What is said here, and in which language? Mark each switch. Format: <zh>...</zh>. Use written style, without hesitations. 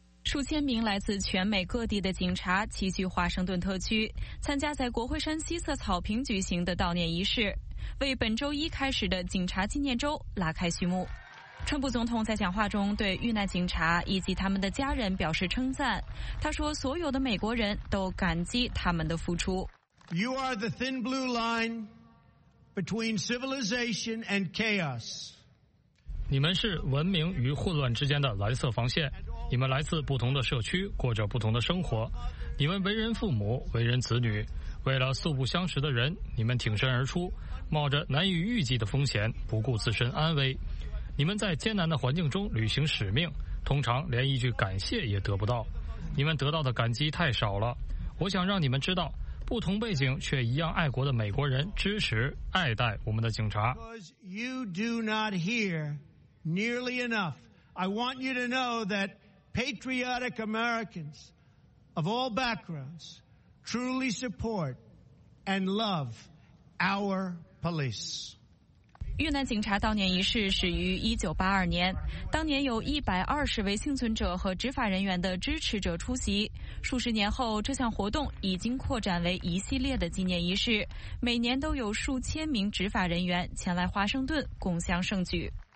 <zh>数千名来自全美各地的警察齐聚华盛顿特区，参加在国会山西侧草坪举行的悼念仪式，为本周一开始的警察纪念周拉开序幕。川普总统在讲话中对遇难警察以及他们的家人表示称赞，他说所有的美国人都感激他们的付出。</zh> <en>You are the thin blue line between civilization and chaos.</en> <zh>你们是文明与混乱之间的蓝色防线，你们来自不同的社区，过着不同的生活，你们为人父母，为人子女，为了素不相识的人，你们挺身而出，冒着难以预计的风险，不顾自身安危，你们在艰难的环境中履行使命，通常连一句感谢也得不到，你们得到的感激太少了。我想让你们知道，不同背景却一样爱国的美国人支持爱戴我们的警察。</zh> <en>You do not hear nearly enough. I want you to know that patriotic Americans of all backgrounds truly support and love our police.</en> <zh>遇难警察悼念仪式始于1982年，当年有120位幸存者和执法人员的支持者出席。数十年后，这项活动已经扩展为一系列的纪念仪式，每年都有数千名执法人员前来华盛顿共襄盛举。</zh>